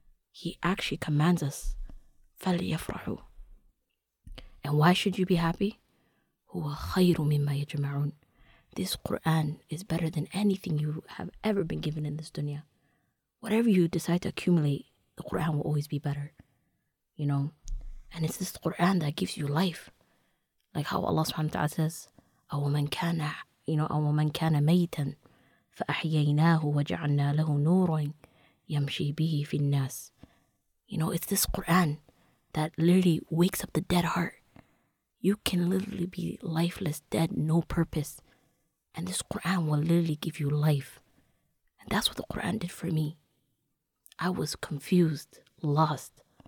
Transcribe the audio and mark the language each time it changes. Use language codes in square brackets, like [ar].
[en] He actually commands us, [ar] فَلْيَفْرَحُ. [en] And why should you be happy? [ar] هُوَ خَيْرُ مِمَّا يَجْمَعُونَ. [en] This Quran is better than anything you have ever been given in this dunya. Whatever you decide to accumulate, the Quran will always be better. You know? And it's this Quran that gives you life. Like how Allah subhanahu wa ta'ala says, [ar] أَوَمَنْ كَانَ أَوَمَنْ كَانَ مَيْتًا فَأَحْيَيْنَاهُ وَجَعَلْنَا لَهُ نُورًا يَمْشِي بِهِ فِي النَّاسِ. [en] You know, it's this Quran that literally wakes up the dead heart. You can literally be lifeless, dead, no purpose, and this Quran will literally give you life. And that's what the Quran did for me. I was confused, lost.